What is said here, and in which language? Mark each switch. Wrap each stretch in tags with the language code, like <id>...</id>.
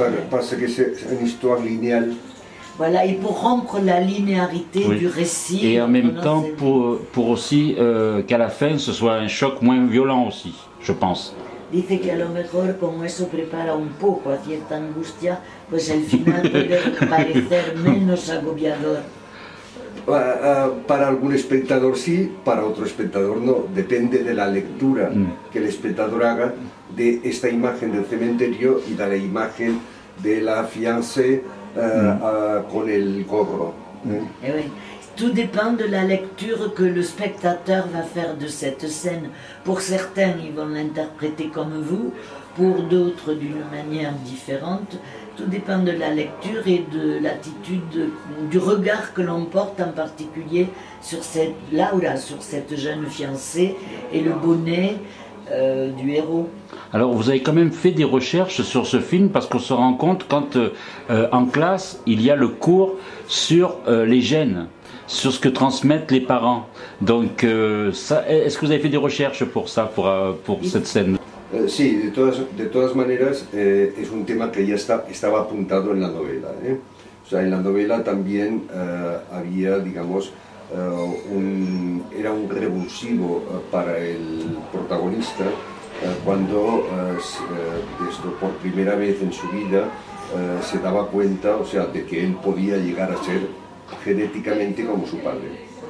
<fr>Parce que c'est une histoire linéaire. Voilà, et pour rompre la linéarité du récit. Et en même temps, pour aussi qu'à la fin, ce soit un choc moins violent aussi, je pense.</fr> <es>Dice que a lo mejor como eso prepara un poco a cierta angustia, pues el final puede parecer menos agobiador. Para algún espectador sí, para otro espectador no. Depende de la lectura que el espectador haga de esta imagen del cementerio y de la imagen de la fiancée con el gorro.</es> <fr>Tout dépend de la lecture que le spectateur va faire de cette scène. Pour certains, ils vont l'interpréter comme vous, pour d'autres d'une manière différente. Tout dépend de la lecture et de l'attitude, du regard que l'on porte en particulier sur cette Laura, sur cette jeune fiancée et le bonnet du héros. Alors vous avez quand même fait des recherches sur ce film parce qu'on se rend compte quand en classe il y a le cours sur les gènes, sur ce que transmettent les parents. Donc ça, est-ce que vous avez fait des recherches pour ça, pour cette scène?</fr> <es>Sí, de todas maneras es un tema que ya estaba apuntado en la novela. O sea, en la novela también había, digamos, era un revulsivo para el protagonista cuando esto por primera vez en su vida se daba cuenta, o sea, de que él podía llegar a ser genéticamente como su padre.</es>